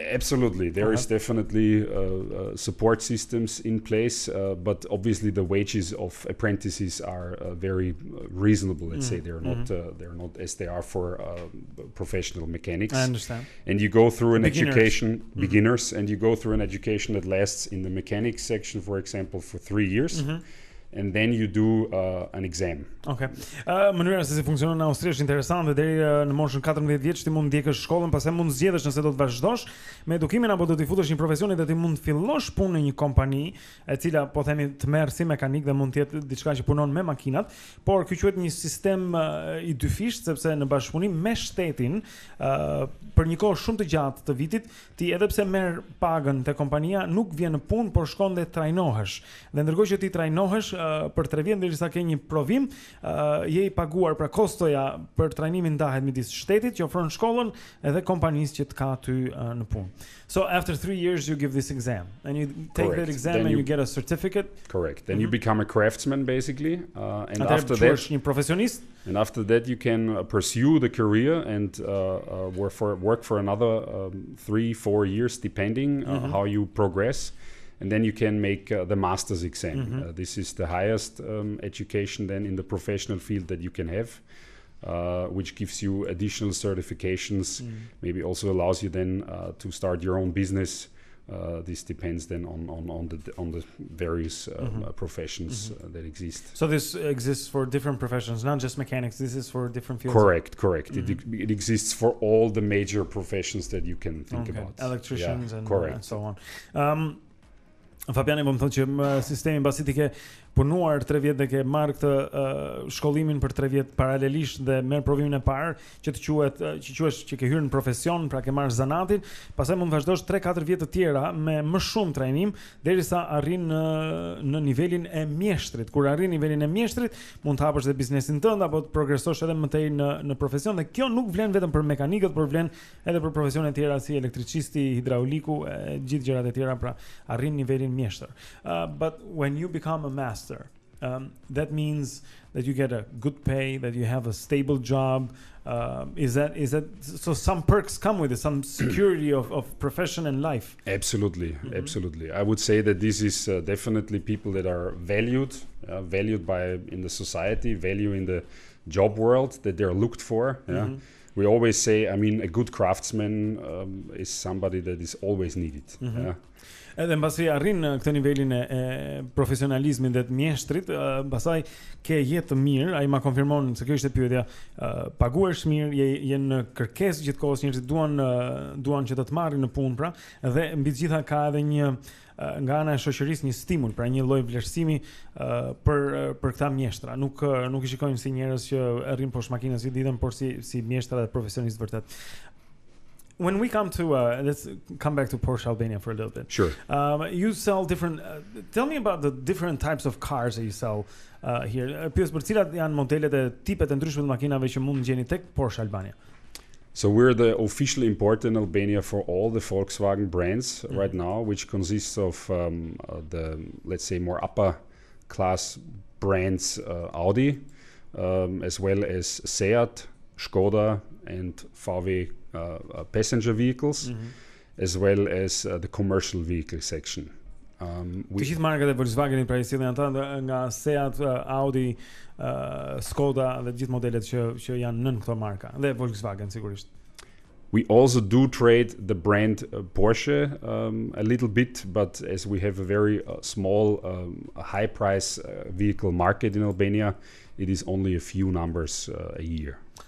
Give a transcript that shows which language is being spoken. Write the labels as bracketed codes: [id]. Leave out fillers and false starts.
[en] Absolutely, there is definitely support systems in place, but obviously the wages of apprentices are very reasonable, let's say. They're not they're not as they are for professional mechanics. I understand. And you go through an education, beginners, and you go through an education that lasts in the mechanics section, for example, for 3 years. And then you do an exam. Okay. [sq] Mënyra se si funksionon në Austri është interesante. Deri në moshën 14 vjeç ti mund ndjekësh shkollën, pastaj mund zgjedhësh nëse do të vazhdosh me edukimin apo do të futesh në profesion, dhe ti mund të fillosh punë në një kompani, e cila po themi të merr si mekanik dhe mund të jetë diçka që punon me makinat, por kjo quhet një sistem i dyfisht, sepse në bashkëpunim me shtetin, për një kohë shumë të gjatë të vitit, ti edhe pse merr pagën te kompania, nuk vjen në punë, por shkon dhe trajnohesh. Dhe ndërkohë që ti trajnohesh për 3 vjet derisa ke një provim, je i paguar, pra kostoja për trajnimin ndahet midis shtetit që ofron shkollën edhe kompanisë që të ka ty në punë. [en] So after 3 years you give this exam and you take that exam then and you get a certificate. Correct. Then you become a craftsman basically, and after that [sq] është një profesionist. [en] And after that you can pursue the career and work for another 3-4 years depending how you progress. And then you can make the master's exam. This is the highest education then in the professional field that you can have, which gives you additional certifications, maybe also allows you then to start your own business. This depends then on the various professions that exist. So this exists for different professions, not just mechanics. This is for different fields. Correct. It exists for all the major professions that you can think about. Electricians and so on. [sq] Fabian, më thonë që sistemi mbasi ti ke punuar 3 vjet dhe ke marrë këtë shkollimin për 3 vjet paralelisht dhe merr provimin e parë që të quhet që quhesh që ke hyrë në profesion, pra ke marrë zanatin, pastaj mund të vazhdosh 3-4 vjet të tjera me më shumë trajnim derisa arrin në nivelin e mjeshtrit. Kur arrin nivelin e mjeshtrit, mund të hapësh edhe biznesin tënd apo të progresosh edhe më tej në profesion, dhe kjo nuk vlen vetëm për mekanikët, por vlen edhe për profesione të tjera si elektricisti, hidrauliku, gjithë gjërat e tjera, pra arrin nivelin mjeshtër. [en] But when you become a master, that means that you get a good pay, that you have a stable job. Is that so some perks come with it, some security of profession and life? Absolutely. Absolutely. I would say that this is definitely people that are valued by in the society, value in the job world, that they're looked for. We always say, I mean, a good craftsman is somebody that is always needed. [sq] Edhe mbasi arrin këtë nivelin e profesionalizmit dhe të mjeshtrit, pastaj ke jetë të mirë, ai ma konfirmon se kjo ishte pyetja. Paguhesh mirë, je në kërkesë gjithkohës, njerëzit duan që të të marrin në punë pra, dhe mbi të gjitha ka edhe një nga ana e shoqërisë një stimul, pra një lloj vlerësimi për këta mjeshtra. Nuk i shikojmë si njerëz që rrin poshtë makinës gjithë ditën, por si mjeshtra dhe profesionistë vërtet. [en] When we come to let's come back to Porsche Albania for a little bit. Sure. You sell different tell me about the different types of cars that you sell here. [sq] Pyes për cilat janë modelet e tipet e ndryshme të makinave që mund ngjeni tek Porsche Albania. [en] So we're the official importer in Albania for all the Volkswagen brands right now, which consists of the, let's say, more upper class brands, Audi, as well as Seat, Skoda, and VW passenger vehicles, as well as the commercial vehicle section. [sq] Të gjithë markat e Volkswagen, pra i cilin ata nga Seat, Audi, Skoda dhe gjithë modelet që janë nën këto marka dhe Volkswagen sigurisht. [en] We also do trade the brand Porsche a little bit, but as we have a very small high price vehicle market in Albania, it is only a few numbers a year.